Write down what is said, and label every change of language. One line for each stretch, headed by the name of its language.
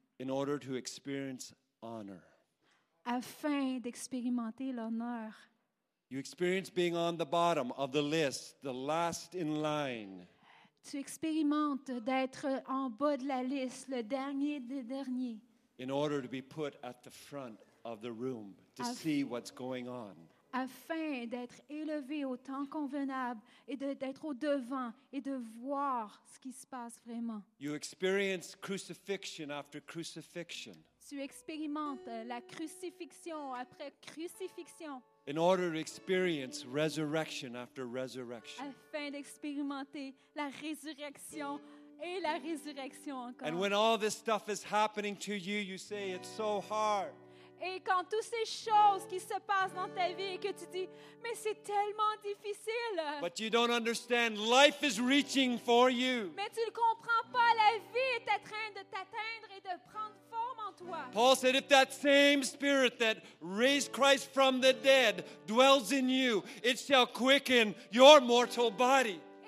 English: In order to experience honor.
French: Afin d'expérimenter l'honneur.
English: You experience being on the bottom of the list, the last in line.
French: Tu expérimentes d'être en bas de la liste, le dernier des derniers.
English: In order to be put at the front of the room to see what's going on.
French: Afin d'être élevé au temps convenable et d'être au devant et de voir ce qui se passe vraiment.
English: You experience crucifixion after crucifixion.
French: Tu expérimentes la crucifixion après crucifixion.
English: In order to experience resurrection after resurrection.
French: Afin d'expérimenter la résurrection et la résurrection encore.
English: And when all this stuff is happening to you, you say it's so hard.
French: Et quand toutes ces choses qui se passent dans ta vie et que tu dis, mais c'est tellement difficile.
English: But you don't understand. Life is reaching for you.
French: Mais tu ne comprends pas, la vie est en train de t'atteindre et de prendre forme en toi.
English: Paul said, if that same spirit that raised Christ from the dead dwells in you, it shall quicken your mortal body.